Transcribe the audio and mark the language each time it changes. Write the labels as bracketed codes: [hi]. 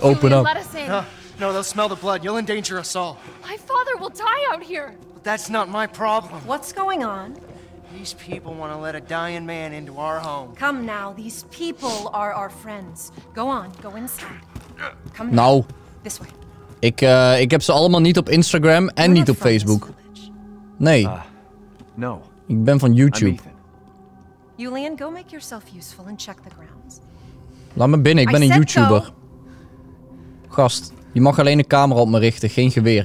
[en] open up. Let us in. No, they'll smell the blood. You'll endanger us all. My father will die out here. But that's not my problem. What's going on? These people want to let a dying man into our home. Come now, these people are our friends. Go on, go inside. Come now. [nl] Nou. [en] This way. [nl] Ik heb ze allemaal niet op Instagram en niet op Facebook. Nee. [en] No. [nl] Ik ben van YouTube. [en] Julian, go make yourself useful and check the grounds. [nl] Laat me binnen, ik ben een YouTuber. Gast, je mag alleen een camera op me richten, geen geweer.